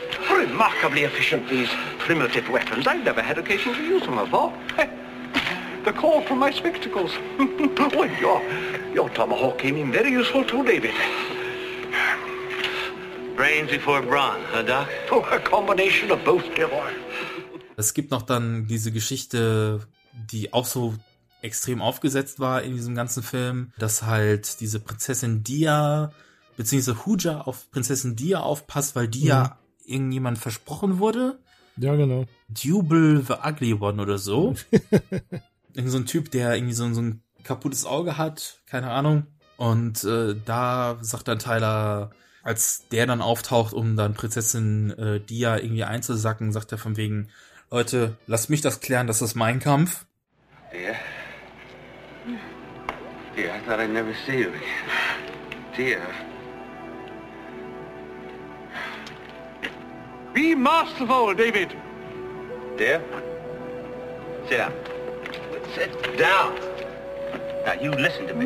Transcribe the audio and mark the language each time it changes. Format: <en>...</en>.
<en>Remarkably efficient, these primitive weapons. I've never had occasion to use them before. The call from my spectacles. Well, your tomahawk came in very useful too, David. Brains before brawn, huh, Doc? Oh, a combination of both, Gilroy.</en> <de>Es gibt noch dann diese Geschichte, die auch so extrem aufgesetzt war in diesem ganzen Film, dass halt diese Prinzessin Dia beziehungsweise Huja auf Prinzessin Dia aufpasst, weil die ja irgendjemand versprochen wurde. Ja, genau. Jubel the Ugly One oder so. Irgend so ein Typ, der irgendwie so ein kaputtes Auge hat, keine Ahnung. Und da sagt dann Tyler, als der dann auftaucht, um dann Prinzessin Dia irgendwie einzusacken, sagt er von wegen, Leute, lasst mich das klären, das ist mein Kampf.</de> <en>Yeah. Yeah, I thought I'd never see you again. Dia. Be masterful, David. Dear, sit down. Sit down. Now, you listen to me.</en>